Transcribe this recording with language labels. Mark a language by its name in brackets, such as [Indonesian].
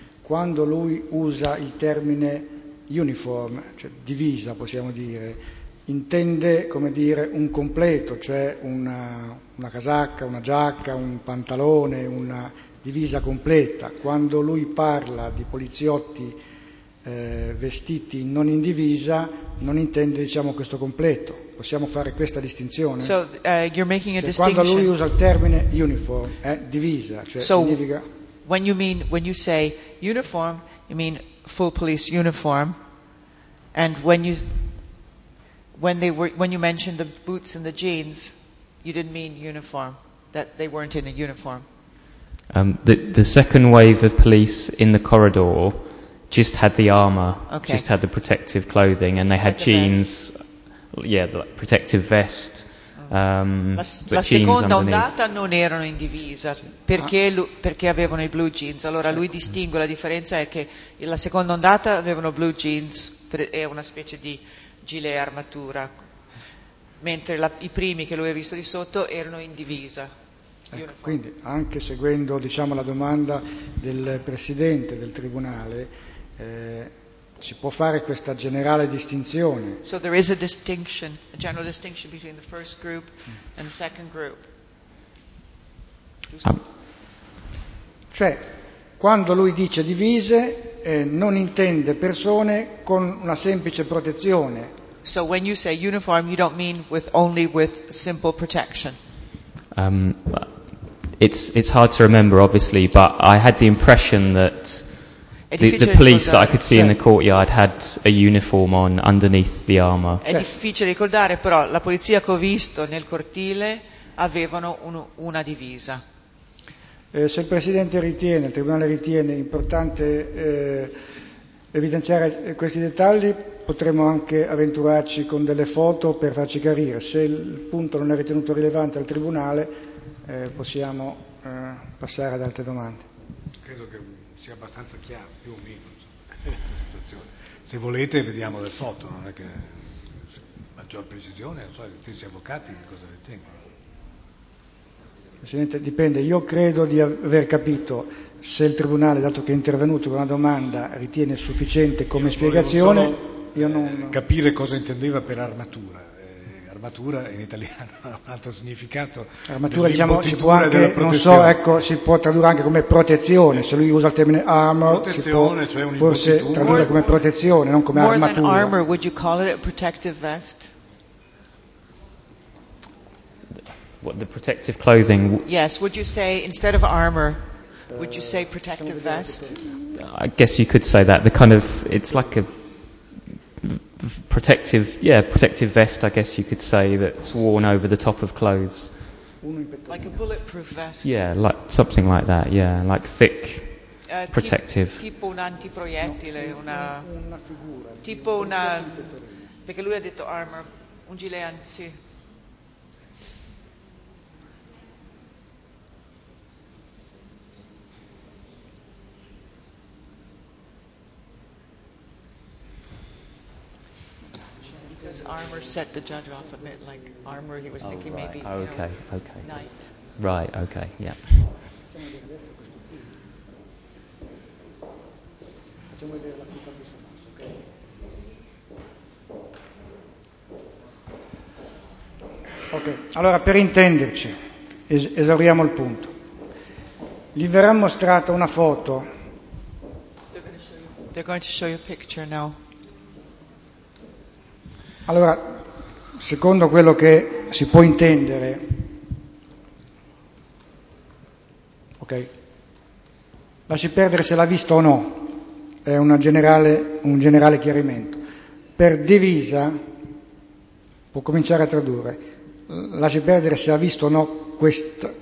[Italian] Quando lui usa il termine uniform, cioè divisa possiamo dire, intende come dire un completo, cioè una casacca, una giacca, un pantalone, una divisa completa. Quando lui parla di poliziotti vestiti non in divisa, non intende diciamo questo completo. Possiamo fare questa distinzione? [English] So, you're making a [Italian] cioè, [English] distinction. [Italian] Quando lui usa il termine uniform, divisa, cioè [English] so, [Italian] significa. [English] When you say uniform, you mean full police uniform, and when you mentioned the boots and the jeans, you didn't mean uniform, that they weren't in a uniform. The second wave of police in the corridor just had the armor, just had the protective clothing, and they had jeans, the protective vest, [Italian] la seconda ondata non erano in divisa perché, perché avevano i blue jeans. Allora lui distingue, la differenza è che la seconda ondata avevano blue jeans, è una specie di gilet armatura, mentre i primi che lui ha visto di sotto erano in divisa. Ecco, quindi anche seguendo, diciamo, la domanda del presidente del tribunale, si può fare questa generale distinzione. [English] So there is a distinction, a general distinction between the first group and the second group. [Italian] Cioè, quando lui dice divise, non intende persone con una semplice protezione. [English] So when you say uniform, you don't mean with only with simple protection. It's hard to remember, obviously, but I had the impression that the police that I could see in the courtyard had a uniform on underneath the armor. [Italian] È difficile ricordare, però la polizia che ho visto nel cortile avevano una divisa. Se il presidente ritiene, il tribunale ritiene importante evidenziare questi dettagli, potremmo anche avventurarci con delle foto per farci chiarire. Se il punto non è ritenuto rilevante al tribunale, possiamo passare ad altre domande. Credo che sia abbastanza chiaro, più o meno, questa situazione. Se volete vediamo le foto, non è che maggior precisione, non so, gli stessi avvocati cosa ritengono. Presidente, dipende. Io credo di aver capito. Se il tribunale, dato che è intervenuto con una domanda, ritiene sufficiente come spiegazione, io non capire cosa intendeva per armatura. Armatura in italiano ha un altro significato. Armatura, diciamo, si può anche, non so, ecco, si può tradurre anche come protezione. Se lui usa il termine armor, protezione, si può forse tradurre come protezione, non come armatura. [English] More than armor, would you call it a protective vest? What, the protective clothing? Yes, would you say instead of armor, would you say protective vest? I guess you could say that. The kind of, it's like a protective, yeah, protective vest, I guess you could say, that's worn over the top of clothes. Like a bulletproof vest. Yeah, like something like that, yeah, like thick, protective. [Italian] Tipo un antiproiettile, una figura. Tipo una, perché lui ha detto armor, un gilet anti. [English] Armor set the judge off a bit, like armor he was thinking, right. Maybe okay, you know, okay. Night. Right, okay, yeah. [Italian] Ok, allora per intenderci, esauriamo il punto. Gli verrà mostrata una foto. [English] They're going to show you a picture now. [Italian] Allora, secondo quello che si può intendere, ok, lasci perdere se l'ha visto o no, è un generale chiarimento. Per divisa, può cominciare a tradurre, lasci perdere se ha visto o no questo